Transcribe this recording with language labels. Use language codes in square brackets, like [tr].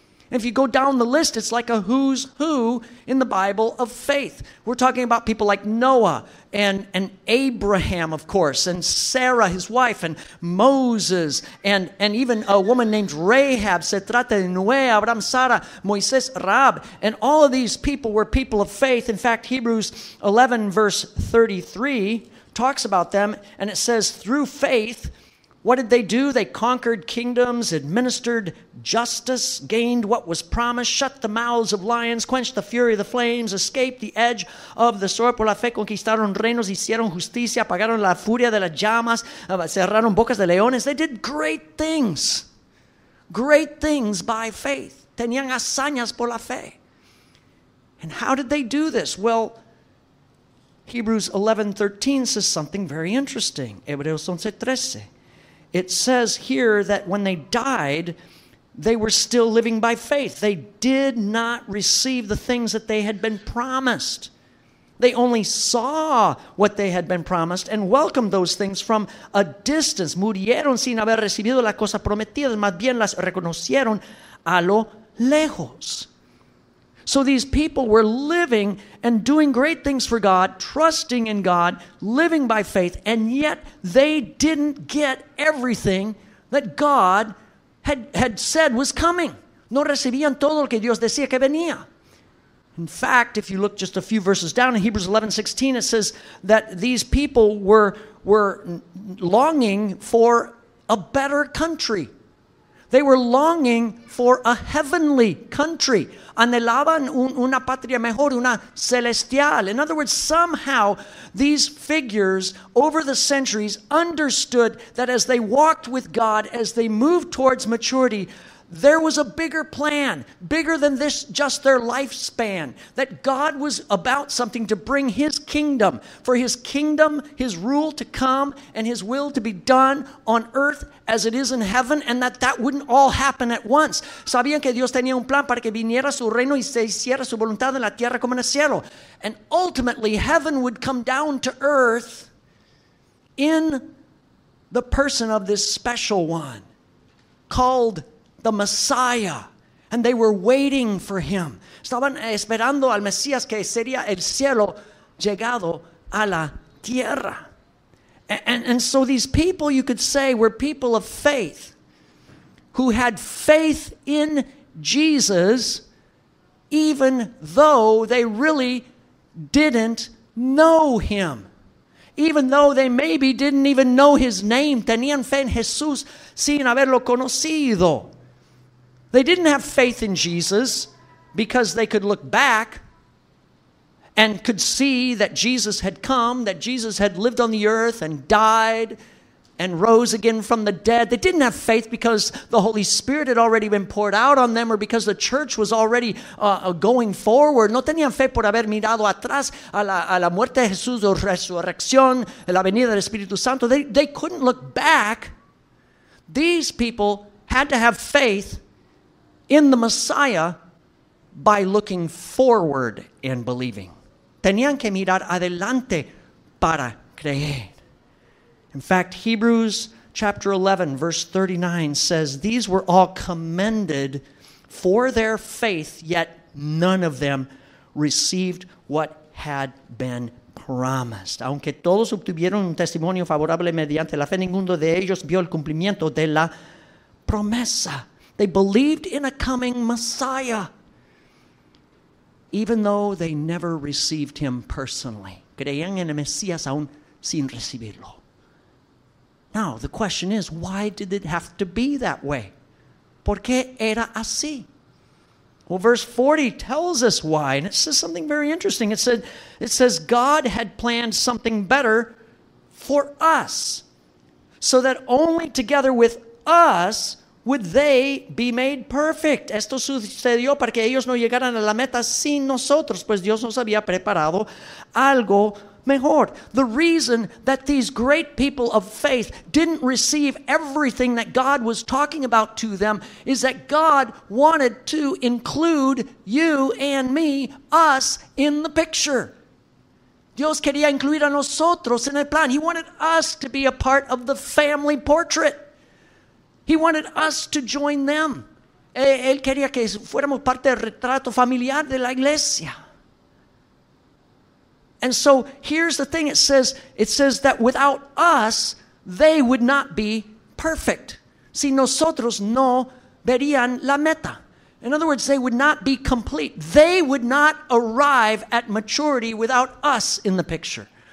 [en] And if you go down the list, it's like a who's who in the Bible of faith. We're talking about people like Noah and Abraham, of course, and Sarah, his wife, and Moses, and even a woman named Rahab. [es] Se trata de Noé, Abraham, Sara, Moisés, Rab. [en] And all of these people were people of faith. In fact, Hebrews 11, verse 33 talks about them, and it says, through faith, what did they do? They conquered kingdoms, administered justice, gained what was promised, shut the mouths of lions, quenched the fury of the flames, escaped the edge of the sword. [es] Por la fe conquistaron reinos, hicieron justicia, apagaron la furia de las llamas, cerraron bocas de leones. [en] They did great things by faith. [es] Tenían hazañas por la fe. [en] And how did they do this? Well, Hebrews 11:13 says something very interesting. [es] Hebreos 11:13. [en] It says here that when they died, they were still living by faith. They did not receive the things that they had been promised. They only saw what they had been promised and welcomed those things from a distance. [es] Murieron sin haber recibido las cosas prometidas, más bien las reconocieron a lo lejos. [en] So these people were living and doing great things for God, trusting in God, living by faith, and yet they didn't get everything that God had said was coming. [es] No recibían todo lo que Dios decía que venía. [en] In fact, if you look just a few verses down in Hebrews 11:16, it says that these people were longing for a better country. They were longing for a heavenly country. [es] Anhelaban una patria mejor, una celestial. [en] In other words, somehow these figures over the centuries understood that as they walked with God, as they moved towards maturity, there was a bigger plan, bigger than this, just their lifespan, that God was about something to bring his kingdom, for his kingdom, his rule to come, and his will to be done on earth as it is in heaven, and that wouldn't all happen at once. [es] Sabían que Dios tenía un plan para que viniera su reino y se hiciera su voluntad en la tierra como en el cielo. [en] And ultimately, heaven would come down to earth in the person of this special one called the Messiah, and they were waiting for him. [es] Estaban esperando al Mesías que sería el cielo llegado a la tierra. [en] And so these people, you could say, were people of faith who had faith in Jesus even though they really didn't know him. Even though they maybe didn't even know his name. [es] Tenían fe en Jesús sin haberlo conocido. [en] They didn't have faith in Jesus because they could look back and could see that Jesus had come, that Jesus had lived on the earth and died and rose again from the dead. They didn't have faith because the Holy Spirit had already been poured out on them or because the church was already going forward. [es] No tenían fe por haber mirado atrás a la muerte de Jesús o resurrección, la venida del Espíritu Santo. [en] They couldn't look back. These people had to have faith in the Messiah by looking forward and believing. [es] Tenían que mirar adelante para creer. [en] In fact, Hebrews chapter 11, verse 39 says, these were all commended for their faith, yet none of them received what had been promised. [es] Aunque todos obtuvieron un testimonio favorable mediante la fe, ninguno de ellos vio el cumplimiento de la promesa. [en] They believed in a coming Messiah, even though they never received him personally. [es] Creían en el Mesías aún sin recibirlo. [en] Now, the question is, why did it have to be that way? [es] ¿Por qué era así? [en] Well, verse 40 tells us why, and it says something very interesting. It says God had planned something better for us, so that only together with us would they be made perfect. [es] Esto sucedió para que ellos no llegaran a la meta sin nosotros, pues Dios nos había preparado algo mejor. [en] The reason that these great people of faith didn't receive everything that God was talking about to them is that God wanted to include you and me, us, in the picture. [es] Dios quería incluir a nosotros en el plan. [en] He wanted us to be a part of the family portrait. He wanted us to join them. [es] Él quería que fuéramos parte del retrato familiar de la iglesia. [en] And so here's the thing, it says that without us, they would not be perfect. [es] Si nosotros no verían la meta. [en] In other words, they would not be complete. They would not arrive at maturity without us in the picture.